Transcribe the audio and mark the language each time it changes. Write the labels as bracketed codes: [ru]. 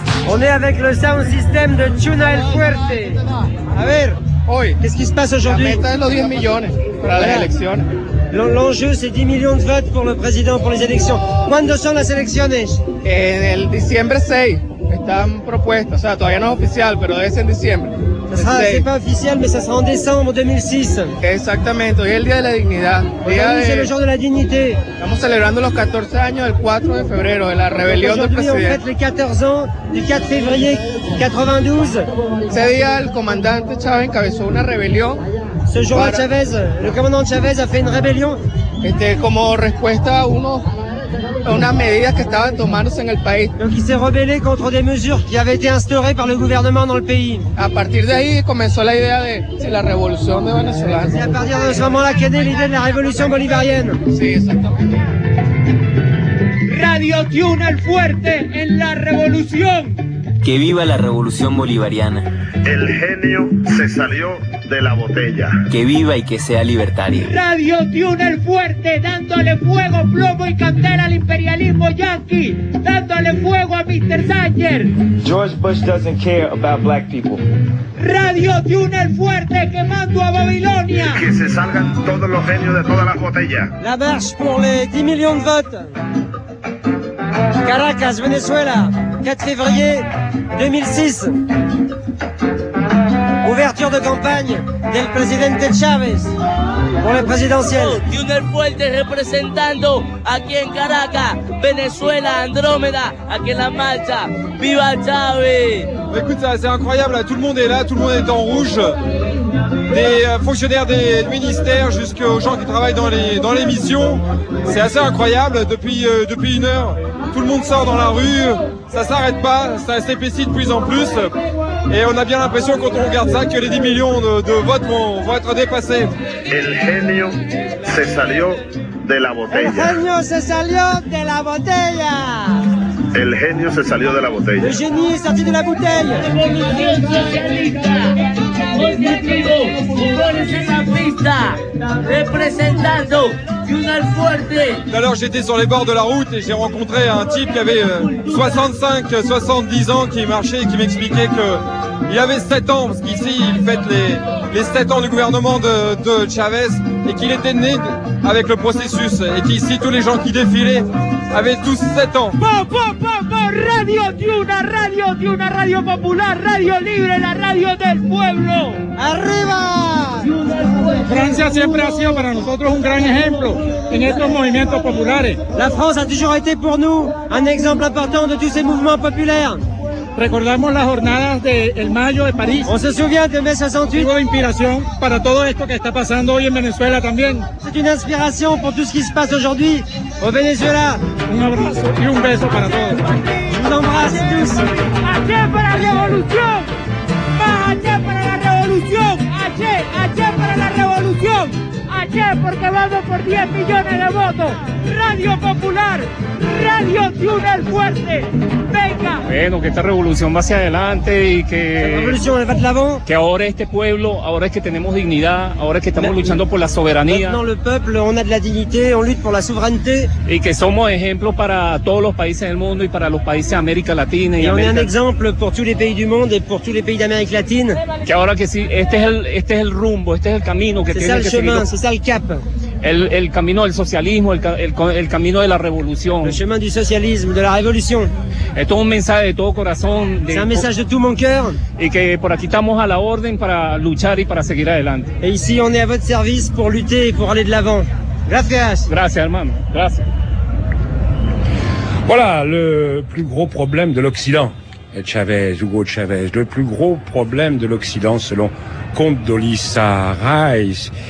[fr] On est avec le sound system de Tuna El Fuerte. [es] A ver, hoy, ¿qué es que se pasa hoy? La meta es los 10 millones para las elecciones. [fr] L'enjeu, c'est 10 millions de votes pour le président pour les élections. [es] ¿Cuándo son las elecciones? En el diciembre 6. Están propuestas. O sea, todavía no es oficial, pero debe ser en diciembre. [fr] C'est pas officiel, mais ça sera en décembre 2006. [es] Exactamente, hoy es el Día de la Dignidad. [fr] C'est le jour de la dignité. [es] Estamos celebrando los 14 años del 4 de febrero, de la rebelión del presidente. [fr] En fait, les 14 ans du 4 février 92. Ce [es] día, el comandante Chávez encabezó una rebelión. [fr] Ce jour-là, Chávez, le commandant Chávez a fait une rébellion. [es] Como respuesta a unas medidas que estaban tomándose en el país. [fr] Donc il s'est rebellé contre des mesures qui avaient été instaurées par le gouvernement dans le pays. [es] A partir de ahí comenzó la idea de la revolución de Venezuela. [fr] C'est à partir de ce moment-là qu'est née l'idée de la révolution bolivarienne. [es] Sí, exactamente. Radio Tune, el fuerte en la revolución. Que viva la revolución bolivariana. El genio se salió de la botella. Que viva y que sea libertario. Radio Tune, el fuerte, dándole fuego, plomo y candela al imperialismo yanqui, dándole fuego a Mr. Sanger. [en] George Bush doesn't care about black people. [es] Radio Tune, el fuerte, quemando a Babilonia. Que se salgan todos los genios de todas las botellas. [fr] La marche pour les 10 millions de votes. Caracas, Venezuela, 4 février 2006. Ouverture de campagne [es] del presidente [fr] Chávez pour les présidentielles. [es] Tune el fuerte representando aquí en Caracas, Venezuela, Andrómeda, aquí en la marcha. ¡Viva Chávez! [fr] Écoute, c'est incroyable, tout le monde est là, tout le monde est en rouge. Des fonctionnaires des ministères jusqu'aux gens qui travaillent dans les missions. C'est assez incroyable, depuis une heure, tout le monde sort dans la rue, ça s'arrête pas, ça s'épaissit de plus en plus. Et on a bien l'impression, quand on regarde ça, que les 10 millions de votes vont être dépassés. [es] El genio se salió de la botella. El genio se salió de la botella. El genio se salió de la botella. [fr] Le génie est sorti de la bouteille. Alors j'étais sur les bords de la route et j'ai rencontré un type qui avait 65-70 ans qui marchait et qui m'expliquait qu'il avait 7 ans, parce qu'ici il fête les 7 ans du gouvernement de Chávez, et qu'il était né avec le processus et qu'ici tous les gens qui défilaient avaient tous 7 ans. [es] Radio Tune, Radio Tune, Radio Popular, Radio Libre, la radio del pueblo. ¡Arriba! Francia siempre ha sido para nosotros un gran ejemplo en estos movimientos populares. [fr] La France a toujours été pour nous un exemple important de tous ces mouvements populaires. [es] Recordamos las jornadas del mayo de París. [fr] On se souvient de mai 68. [es] Hubo inspiración para todo esto que está pasando hoy en Venezuela también. [fr] C'est une inspiration pour tout ce qui se passe aujourd'hui au Venezuela. [es] Un abrazo y un beso para todos. Un abrazo a todos. ¡Aché para la revolución! ¡Aché para la revolución! ¡Aché! ¡Aché para la revolución! ¡Aché! Porque vamos por 10 millones de votos. Radio Popular. Radio Tune, el fuerte. Bueno, que esta revolución va hacia adelante y que... La revolución [fr] va de l'avant. [es] Que ahora este pueblo, ahora es que tenemos dignidad, ahora es que estamos luchando por la soberanía. [fr] Maintenant, le peuple, on a de la dignité, on lutte pour la souveraineté. [es] Y que somos ejemplo para todos los países del mundo y para los países de América Latina y América. Y [fr] on est un exemple pour tous les pays du monde et pour tous les pays d'Amérique Latine. [es] Que ahora que sí, este es el rumbo, este es el camino que tiene que seguir. [fr] C'est ça le chemin, c'est ça le cap. [es] El camino del socialismo, el camino de la revolución. [fr] Le chemin du socialisme, de la révolution. [es] Esto es un mensaje de todo corazón. [fr] C'est un message de tout mon cœur. [es] Y que por aquí estamos a la orden para luchar y para seguir adelante. [fr] Et ici on est à votre service pour lutter et pour aller de l'avant. [es] Gracias. Gracias, hermano. Gracias. [fr] Voilà le plus gros problème de l'Occident. Chávez, Hugo Chávez, le plus gros problème de l'Occident selon Condoleezza Rice.